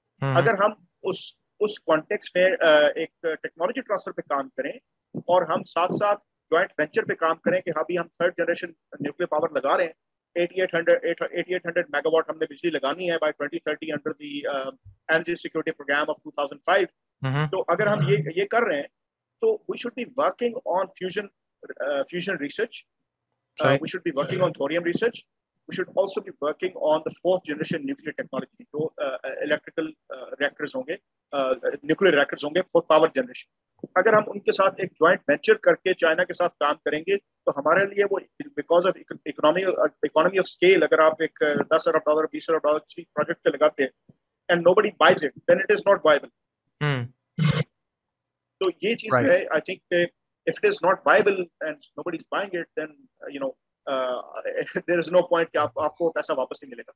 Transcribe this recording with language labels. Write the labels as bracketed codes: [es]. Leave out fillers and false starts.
[ur] اگر ہم اس کانٹیکسٹ میں ایک ٹیکنالوجی ٹرانسفر پہ کام کریں اور ہم ساتھ ساتھ جو جوائنٹ وینچر پہ کام کریں کہ ہاں بھی ہم تھرڈ جنریشن نیوکلیئر پاور لگا رہے ہیں, 8800 میگا واٹ ہم نے بجلی لگانی ہے [en] By 2030 under the energy security programme of 2005. [ur] تو اگر ہم یہ کر رہے ہیں تو [en] we should be working on fusion fusion research, we should be working on thorium research, we should also be working on the fourth generation nuclear technology, [ur] جو electrical reactors ہوں گے, [en] Nuclear reactors ہوں گے for power generation. [ur] اگر ہم ان کے ساتھ ایک جوائنٹ وینچر کر کے چائنا کے ساتھ کام کریں گے تو ہمارے لیے وہ [en] because of economy of scale, [ur] اگر آپ ایک $10 ارب 20 ارب کی پروجیکٹ پہ لگاتے ہیں [en] And nobody buys it, then it is not viable. [ur] تو یہ چیز جو ہے [en] I think if it is not viable and nobody is buying it, then you know there is no point [ur] کہ آپ کو پیسہ واپس نہیں ملے گا.